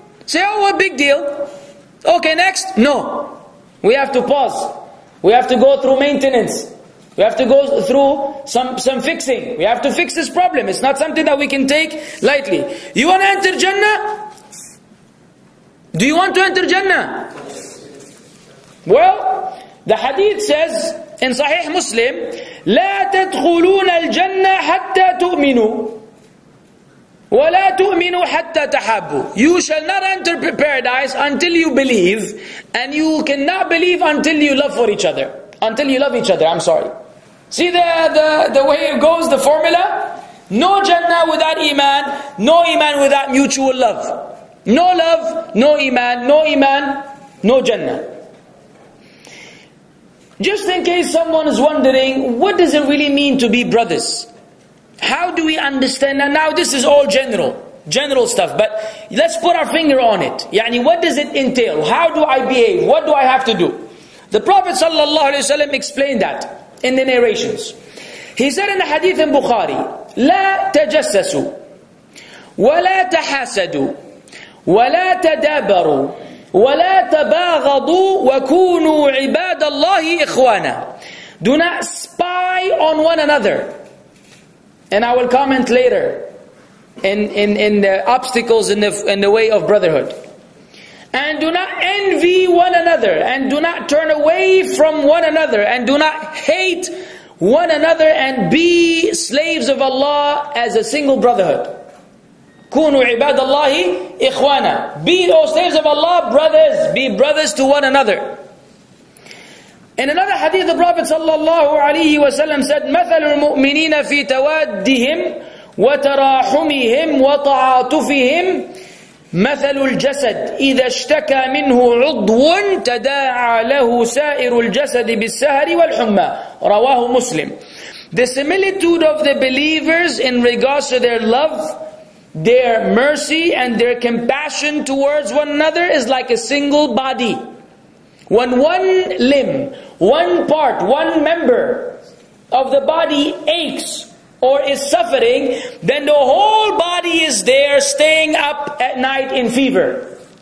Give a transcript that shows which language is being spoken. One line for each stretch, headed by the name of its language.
English: Say, oh, what big deal. Okay, next. No. We have to pause. We have to go through maintenance. We have to go through some fixing. We have to fix this problem. It's not something that we can take lightly. You want to enter Jannah? Do you want to enter Jannah? Well, the hadith says in Sahih Muslim,
Arabic: لا تدخلون الجنة حتى تؤمنوا ولا تؤمنوا حتى تحبوا.
English: You shall not enter paradise until you believe, and you cannot believe until you love for each other. Until you love each other, I'm sorry. See the way it goes, the formula? No Jannah without Iman, no Iman without mutual love. No love, no Iman, no Iman, no Jannah. Just in case someone is wondering, what does it really mean to be brothers? How do we understand that? Now this is all general stuff, but let's put our finger on it. Yani, what does it entail? How do I behave? What do I have to do? The Prophet sallallahu alaihi wasallam explained that. In the narrations, he said in the hadith in Bukhari,
Arabic: لا تجسسوا ولا تحاسدوا ولا تدابروا ولا تباغضوا وكونوا عباد الله إخوانا.
English: Do not spy on one another. And I will comment later in the obstacles in the way of brotherhood. And do not envy one another. And do not turn away from one another. And do not hate one another. And be slaves of Allah as a single brotherhood.
Arabic: كُونُوا عِبَادَ اللَّهِ إِخْوَانًا.
English: Be those slaves of Allah, brothers. Be brothers to one another. In another hadith, the Prophet sallallahu alaihi wasallam said,
Arabic: مَثَلُ الْمُؤْمِنِينَ فِي تَوَادِّهِمْ وَتَرَاحُمِهِمْ وَطَعَاتُفِهِمْ مثل الجسد إذا اشتكى منه عضو تداعى له سائر الجسد بالسهر والحمى رواه مسلم.
English: The similitude of the believers in regards to their love, their mercy and their compassion towards one another is like a single body. When one limb, one part, one member of the body aches or is suffering, then the whole body is there staying up at night in fever.